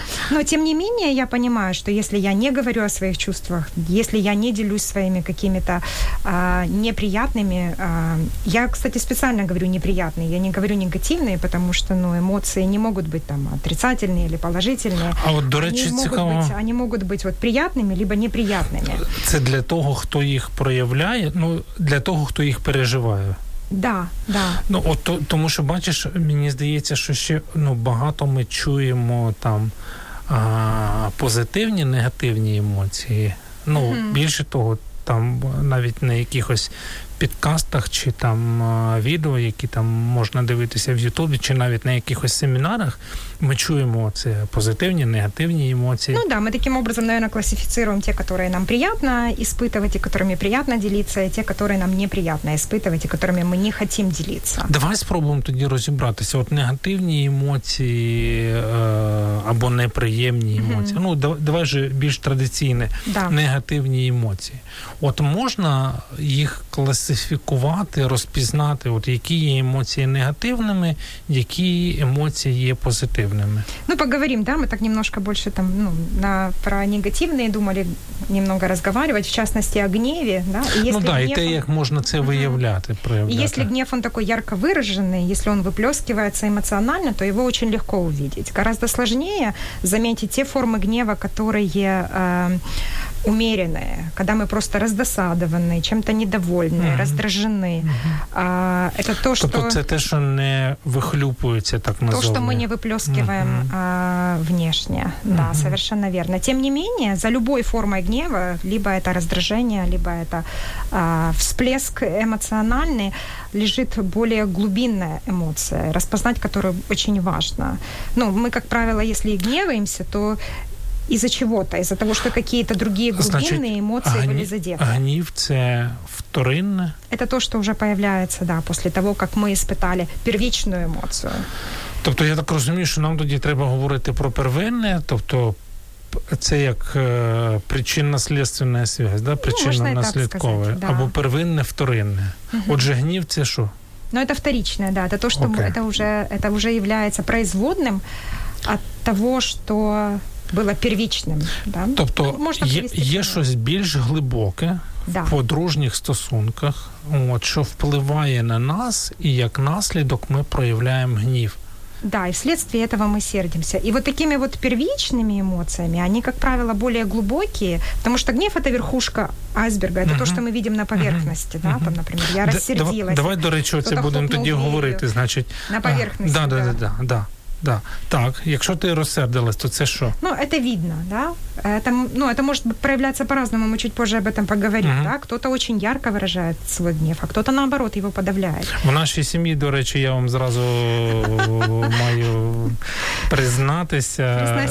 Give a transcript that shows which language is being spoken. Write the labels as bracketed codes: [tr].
[ru] Но, тем не менее, я понимаю, что если я не говорю о своих чувствах, если я не делюсь своими какими-то неприятными... Я, кстати, специально говорю неприятные, я не говорю негативные, потому что эмоции не могут быть там отрицательные или положительные. [uk] А вот, до речи, цікаво. [ru] Они могут быть вот приятными, либо неприятными. [uk] Це для того, хто їх проявляє, для того, хто їх переживає. [ru] Да, да. [uk] Тому що, бачиш, мені здається, що ще багато ми чуємо там позитивні, негативні емоції. Більше того, там навіть на якихось підкастах чи там відео, які там можна дивитися в Ютубі, чи навіть на якихось семінарах, ми чуємо це позитивні, негативні емоції. Ми [ru] таким образом, наверное, [uk] класифіцируємо ті, які нам приємно испытывать, і которыми приємно ділитися, і ті, які нам неприємно испытывать, і которыми ми [ru] не хотим [uk] ділитися. Давай спробуємо тоді розібратися. От негативні емоції або неприємні емоції. Mm-hmm. Давай же більш традиційні. [ru] Да. [uk] Негативні емоції. От можна їх класифікувати, розпізнати, от які є емоції негативними, які емоції є позитивними. [ru] Поговорим, да, мы так немножко больше там, про негативные думали немного разговаривать, в частности, о гневе, да. Как можно это проявлять. Если гнев, он такой ярко выраженный, если он выплескивается эмоционально, то его очень легко увидеть. Гораздо сложнее заметить те формы гнева, которые умеренные, когда мы просто раздосадованы, чем-то недовольны, mm-hmm. раздражены. Mm-hmm. Это то, что не выхлюпывается, так называемое. То, что мы не выплескиваем внешне. Mm-hmm. Да, совершенно верно. Тем не менее, за любой формой гнева, либо это раздражение, либо это всплеск эмоциональный, лежит более глубинная эмоция, распознать которую очень важно. Мы, как правило, если и гневаемся, то из-за чего-то, из-за того, что какие-то другие глубинные эмоции были задеты. Гнев – это вторинное? Это то, что уже появляется, да, после того, как мы испытали первичную эмоцию. [uk] Тобто я так розумію, що нам тоді треба говорити про первинне, тобто це як причинно-слідственна зв'язь, да? Причинно-наслідкова, да. Або первинне-вторинне. Угу. Отже, гнів – це що? [ru] Это вторичное, да, это то, что это уже является производным от того, что было первичным, да? [uk] Тобто є щось більш глибоке, да, в подружніх стосунках, що впливає на нас, і як наслідок ми проявляємо гнів. [ru] Да, и вследствие этого мы сердимся. И вот такими вот первичными эмоциями, они, как правило, более глубокие, потому что гнев – это верхушка айсберга, это то, что мы видим на поверхности, да, там, например, я рассердилась. [uk] Давай, до речи, оце будем тоді говорити, значить. [ru] На поверхности, да. Да. [uk] Так, якщо ти розсердилась, то це що? [ru] Это видно, да? Это может проявляться по-разному, мы чуть позже об этом поговорим, uh-huh. да? Кто-то очень ярко выражает свой гнев, а кто-то, наоборот, его подавляет. В нашей семье, до речи, я вам сразу [uk] маю признатися.